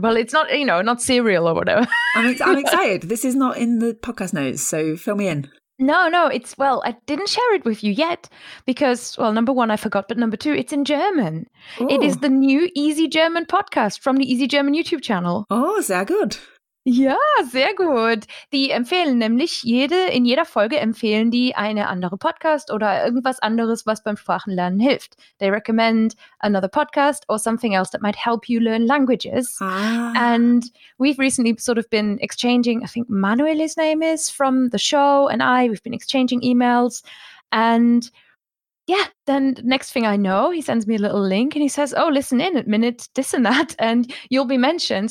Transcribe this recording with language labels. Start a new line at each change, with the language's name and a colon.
English: Well, it's not, you know, not Serial or whatever. I'm excited. This is not in the podcast notes, so fill me in. No, it's, well, I didn't share it with you yet because, well, number one, I forgot, but number two, it's in German. Ooh. It is the new Easy German podcast from the Easy German YouTube channel.
German: Oh, sehr gut. Ja, sehr gut. Die empfehlen nämlich in jeder Folge empfehlen die eine andere Podcast oder irgendwas anderes, was beim Sprachenlernen hilft.
English: They recommend another podcast or something else that might help you learn languages. Ah. And we've recently sort of been exchanging, I think Manuel's name is from the show, and we've been exchanging emails. And yeah, then next thing I know, he sends me a little link and he says, oh, listen in at minute this and that, and you'll be mentioned.